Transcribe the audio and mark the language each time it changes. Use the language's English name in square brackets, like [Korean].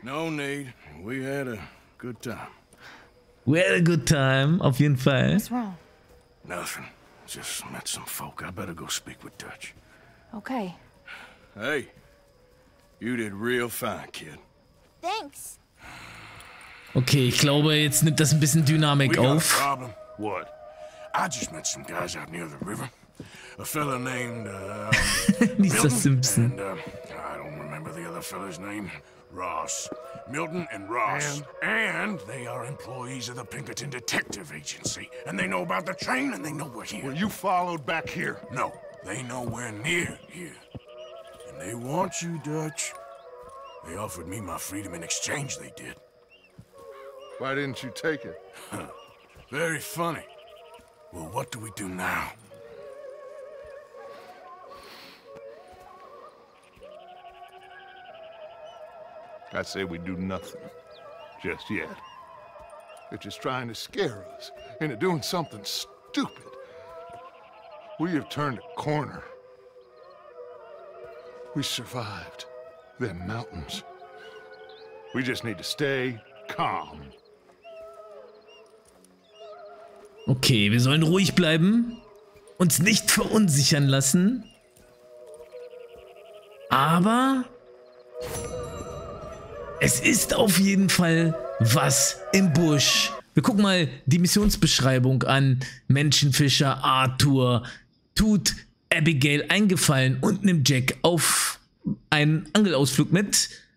[English] No need. We had a good time. We had a good time, [German] auf jeden Fall. [English] What's wrong? Nothing. Just met some folk. I better go speak with Dutch. Okay. Hey, you did real fine, kid. Thanks. [German] Okay, ich glaube, jetzt nimmt das ein bisschen Dynamik auf. [English] We got a problem. What? I just met some guys out near the river. A fella named, Milton Simpson. And, I don't remember the other fella's name. Ross. Milton and Ross. And they are employees of the Pinkerton Detective Agency. And they know about the train, and they know we're here. Were you followed back here? No. They know we're near here. And they want you, Dutch. They offered me my freedom in exchange, they did. Why didn't you take it? Very funny. Well, what do we do now? I say we do nothing. Just yet. They're just trying to scare us into doing something stupid. We have turned a corner. We survived them mountains. We just need to stay calm. [German] Okay, wir sollen ruhig bleiben. Uns nicht verunsichern lassen. Aber es ist auf jeden Fall was im Busch. Wir gucken mal die Missionsbeschreibung an. Menschenfischer Arthur tut Abigail einen Gefallen und nimmt Jack auf einen Angelausflug mit.